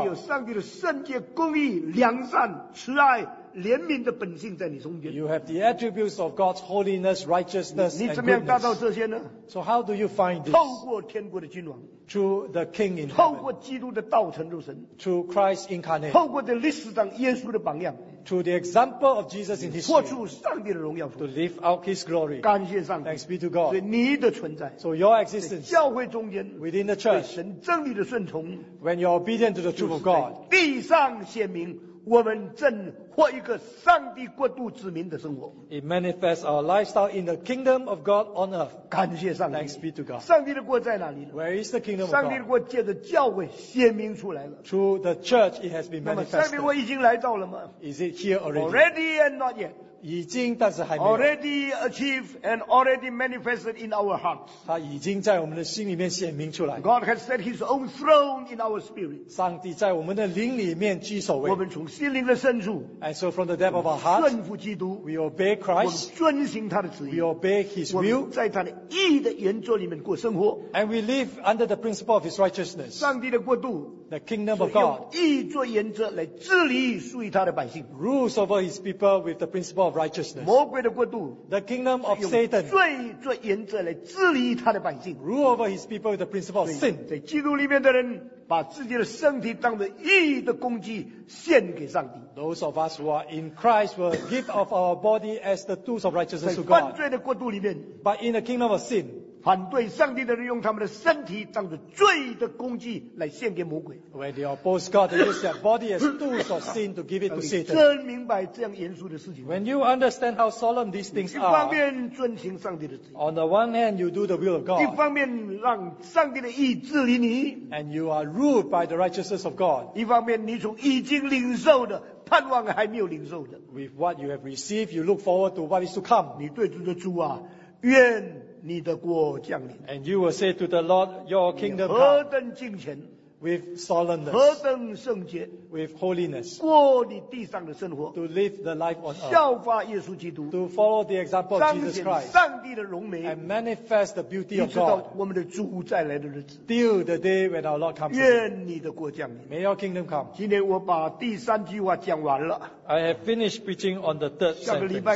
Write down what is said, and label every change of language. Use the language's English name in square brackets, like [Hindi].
[Chinese] 你有上帝的圣洁, 公义, 良善, 慈爱, 怜悯的本性在你中间, [English] you have the attributes of God's holiness, righteousness, [Chinese] 你怎么样达到这些呢? [English] So how do you find this? [Chinese] 透过天国的君王, [English] through the King in heaven, through Christ incarnate, [Chinese] 透过的历史上耶稣的榜样, [English] through the example of Jesus in history, to live out His glory. [Chinese] 感谢上帝, [English] thanks be to God. [Chinese] 所以你的存在, [English] so your existence [Chinese] 教会中间, [English] within the church, [Chinese] 对神真理的顺从, [English] when you are obedient to the truth of God, [Chinese] 地上显明, 我们正活一个上帝国度子民的生活。 [English] It manifests our lifestyle in the kingdom of God on earth. [Chinese] 感谢上帝。 [English] Thanks be to God. [Chinese] 上帝的国在哪里呢? [English] Where is the kingdom of [Chinese] 上帝的国借着教会显明出来了。 [English] Through the church it has been manifested. [Chinese] 那么上帝的国已经来到了吗? [English] Is it here already? Already and not yet. [Chinese] 已经但是还没有。 [English] Already achieved and already manifested in our hearts. [Chinese] 祂已经在我们的心里面显明出来。 [English] God has set His own throne in our spirit. [Chinese] 上帝在我们的灵里面居首位。我们从心灵的深处, [English] and so from the depth of our hearts, [Chinese] 顺服基督, [English] we obey Christ, [Chinese] 我们遵行祂的旨意, [English] we obey His will, [Chinese] 我们在祂的义的原则里面过生活, [English] and we live under the principle of His righteousness. [Chinese] 上帝的国度, [English] the kingdom of God, [Chinese] 义做原则来治理属于祂的百姓, [English] rules over His people with the principle of of righteousness. [Chinese] 魔鬼的国度, [English] the kingdom of Satan. [Chinese] 用罪做原则来治理他的百姓, [English] rule over his people with the principle of sin. [Chinese] 在基督里面的人, 把自己的身体当作义的工具献给上帝。 [English] Those of us who are in Christ will give of our body as the tools of righteousness to God. [Chinese] 在犯罪的国度里面, [English] but in the kingdom of sin, [Chinese] 反对上帝的人用他们的身体当作罪的工具来献给魔鬼。 [English] When they oppose God, they use their body as tools of sin to give it to Satan. [Chinese] 真明白这样严肃的事情。 [English] When you understand how solemn these things are, [Chinese] 一方面遵行上帝的旨意。 [English] On the one hand, you do the will of God. [Chinese] 一方面让上帝的意治理你。 [English] And you are ruled by the righteousness of God. [Chinese] 一方面你从已经领受的 盼望还没有领受的。 [English] With what you have received, you look forward to what is to come. [Chinese] 你对主的主啊, 愿 你的国降临, [English] and you will say to the Lord, your kingdom come. [Chinese] 何等敬虔, [English] with solemnness. [Chinese] 何等圣洁, [English] with holiness. [Chinese] 过你地上的生活, [English] to live the life on earth. [Chinese] 效法耶稣基督, [English] to follow the example of Jesus Christ. [Chinese] 彰显上帝的荣美, [English] and manifest the beauty of God. [Chinese] 你知道我们的主再来的日子, [English] till the day when our Lord comes. [Chinese] 愿你的国降临, [English] may your kingdom come. [Chinese] 今天我把第三句话讲完了。 [English] I have finished preaching on the third sentence.